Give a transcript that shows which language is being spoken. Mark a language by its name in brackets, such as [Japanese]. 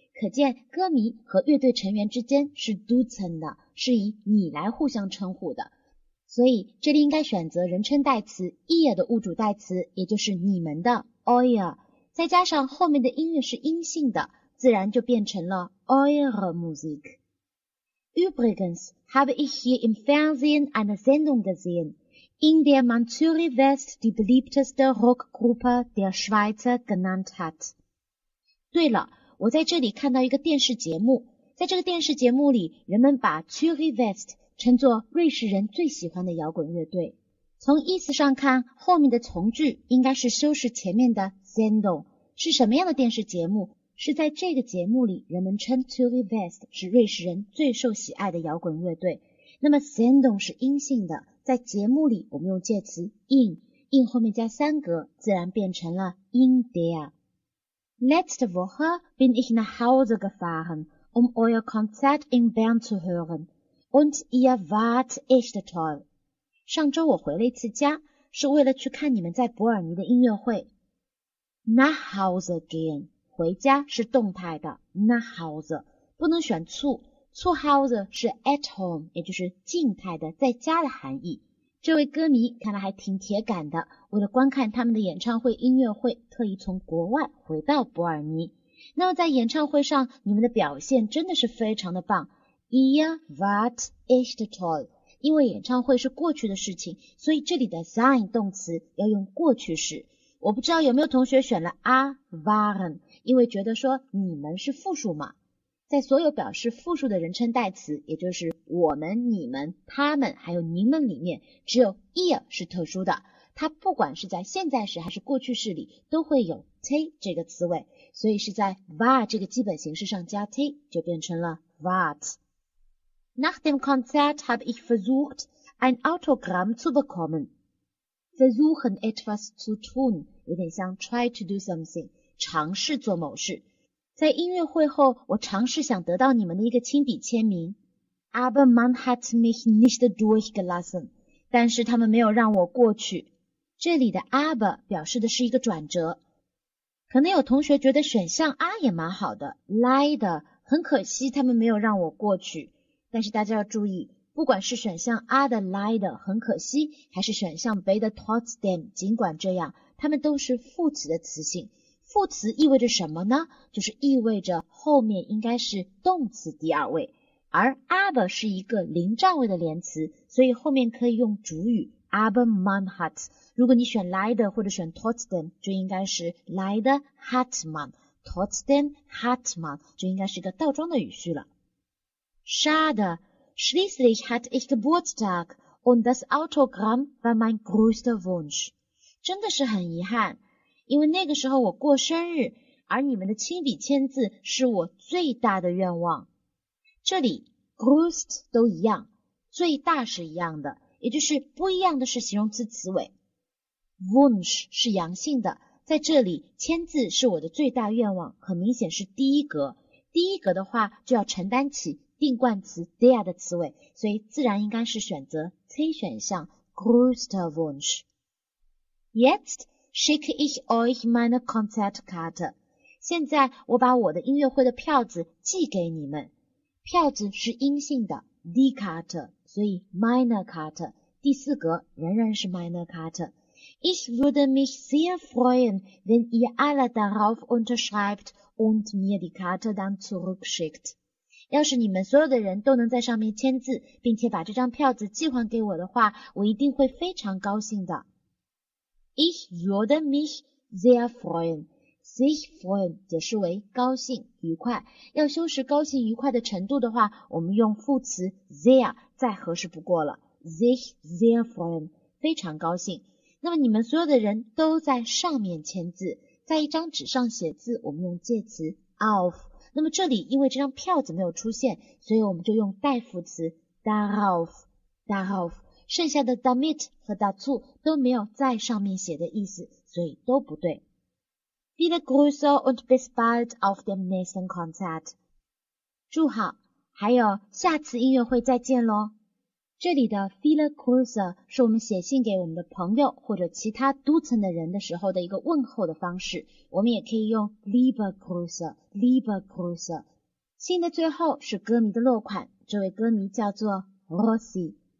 [Chinese] 可见歌迷和乐队成员之间是 duzen 的，是以你来互相称呼的。所以这里应该选择人称代词 ear 的物主代词，也就是你们的 euer， 再加上后面的音乐是阴性的，自然就变成了 [German] eure Musik。 Übrigens habe ich hier im Fernsehen eine Sendung gesehen, in der man Zürich West die beliebteste Rockgruppe der Schweizer genannt hat。 [Chinese] 对了，我在这里看到一个电视节目，在这个电视节目里，人们把 Zürich West称作瑞士人最喜欢的摇滚乐队。从意思上看，后面的从句应该是修饰前面的 Sendung。是什么样的电视节目？是在这个节目里人们称 Zürich West 是瑞士人最受喜爱的摇滚乐队。那么 Sendung 是阴性的，在节目里我们用介词 in， in 后面加三格，自然变成了 in der。 [German] Letzte Woche bin ich nach Hause gefahren um euer Konzert in Bern zu hörenUnd ihr wart echt toll. [Chinese] 上周我回了一次家，是为了去看你们在伯尔尼的音乐会。 [German] Nach Hause gehen， [Chinese] 回家是动态的 ，Nach Hause 不能选 zu Hause 是 [English] at home， [Chinese] 也就是静态的，在家的含义。这位歌迷看来还挺铁杆的，为了观看他们的演唱会音乐会，特意从国外回到伯尔尼。那么在演唱会上，你们的表现真的是非常的棒。 [German] Ihr wart echt toll， [Chinese] 因为演唱会是过去的事情，所以这里的 sein 动词要用过去式。我不知道有没有同学选了 waren， 因为觉得说你们是复数嘛。在所有表示复数的人称代词，也就是我们、你们、他们还有您们里面，只有 ihr 是特殊的，它不管是在现在时还是过去式里都会有 te 这个词尾，所以是在 war 这个基本形式上加 te 就变成了 wart。 [German] Nach dem Konzert habe ich versucht ein Autogramm zu bekommen。 Versuchen etwas zu tun [Chinese] 有点像 [English] try to do something， [Chinese] 尝试做某事。在音乐会后，我尝试想得到你们的一个亲笔签名。 [German] Aber man hat mich nicht durchgelassen， [Chinese] 但是他们没有让我过去。这里的 aber 表示的是一个转折。可能有同学觉得选项 R 也蛮好的， leider， 很可惜他们没有让我过去。但是大家要注意，不管是选项 R 的 leider， 很可惜，还是选项 B 的 trotzdem， 尽管这样，他们都是副词的词性。副词意味着什么呢？就是意味着后面应该是动词第二位，而 aber 是一个临站位的连词，所以后面可以用主语 [German] aber man hat。 [Chinese] 如果你选 leider 或者选 trotzdem， 就应该是 [German] leider hat man， trotzdem hat man， [Chinese] 就应该是一个倒装的语序了。 [German] Schade， schließlich hatte ich Geburtstag und das Autogramm war mein größter Wunsch。 [Chinese] 真的是很遗憾，因为那个时候我过生日，而你们的亲笔签字是我最大的愿望。这里 ,grust 都一样，最大是一样的，也就是不一样的是形容词词尾。 wunsch 是阳性的，在这里签字是我的最大愿望，很明显是第一格。第一格的话就要承担起定冠词 der 的词尾，所以自然应该是选择 C 选项 , [German] größter Wunsch。 Jetzt! Schicke ich euch meine Konzertkarte. [Chinese] 现在我把我的音乐会的票子寄给你们。票子是阴性的 ,die Karte, 所以 [German] meine Karte, [Chinese] 第四格仍然是 meine Karte. [German] Ich würde mich sehr freuen, wenn ihr alle darauf unterschreibt und mir die Karte dann zurückschickt. [Chinese] 要是你们所有的人都能在上面签字，并且把这张票子寄还给我的话，我一定会非常高兴的。 [German] Ich würde mich sehr freuen. [Chinese] Sich freuen 解释为高兴、愉快。要修饰高兴、愉快的程度的话，我们用副词 sehr 再合适不过了。 [German] Sich sehr freuen， [Chinese] 非常高兴。那么你们所有的人都在上面签字，在一张纸上写字，我们用介词 auf。那么这里因为这张票子没有出现，所以我们就用代副词 darauf。 [German] darauf。 [Chinese] 剩下的 damit 和 dazu 都没有在上面写的意思，所以都不对。 [German] Viele Grüße und bis bald auf dem nächsten Konzert. [Chinese] 祝好，还有下次音乐会再见咯。这里的 [German] Viele Grüße [Chinese] 是我们写信给我们的朋友或者其他都层的人的时候的一个问候的方式，我们也可以用 [German] Liebe Grüße, Liebe Grüße。 [Chinese] 信的最后是歌迷的落款，这位歌迷叫做 Rossi。